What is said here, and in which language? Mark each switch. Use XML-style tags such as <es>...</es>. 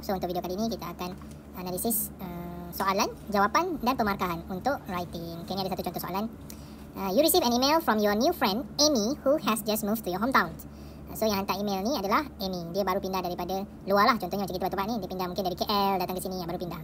<ms>So untuk video kali ini kita akan analisis soalan, jawapan dan pemarkahan untuk writing. Okay, ini ada satu contoh soalan.</ms> <en>You receive an email from your new friend Amy who has just moved to your hometown.</en> <ms>So yang hantar email ni adalah Amy. Dia baru pindah daripada luar lah. Contohnya macam kita buat tempat ni, dia pindah mungkin dari KL, datang ke sini, baru pindah.</ms>